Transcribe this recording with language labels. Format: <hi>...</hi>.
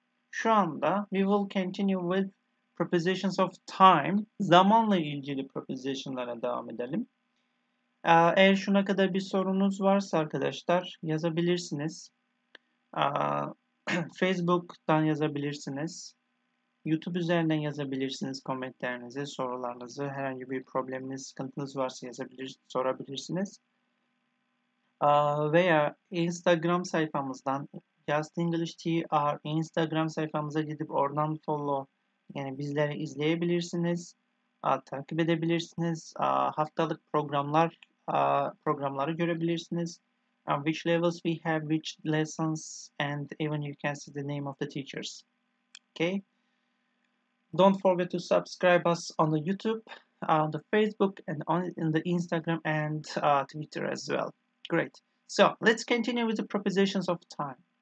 <tr>Şu anda</tr> <en>we will continue with prepositions of time.</en> <tr>Zamanla ilgili prepositionlara devam edelim. Eğer şuna kadar bir sorunuz varsa arkadaşlar yazabilirsiniz. Facebook'tan yazabilirsiniz. YouTube üzerinden yazabilirsiniz komentlerinizi, sorularınızı. Herhangi bir probleminiz, sıkıntınız varsa sorabilirsiniz. Veya Instagram sayfamızdan, JustenglishTR Instagram sayfamıza gidip oradan follow, yani bizleri izleyebilirsiniz, takip edebilirsiniz, haftalık programları görebilirsiniz.</tr> <en>Which levels we have, which lessons, and even you can see the name of the teachers. Okay? Don't forget to subscribe us on the YouTube, on the Facebook, and on in the Instagram and Twitter as well. Great. So, let's continue with the prepositions of time.</en>